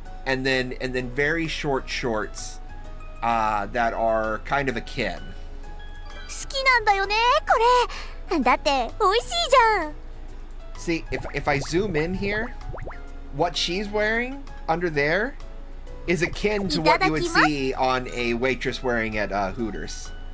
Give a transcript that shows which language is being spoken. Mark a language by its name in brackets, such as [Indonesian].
[English] And then very short shorts that are kind of akin. [Japanese] 好きなんだよね、これ。だって、美味しいじゃん。 [English] See, if I zoom in here, what she's wearing under there is akin to what you would see on a waitress wearing at Hooters.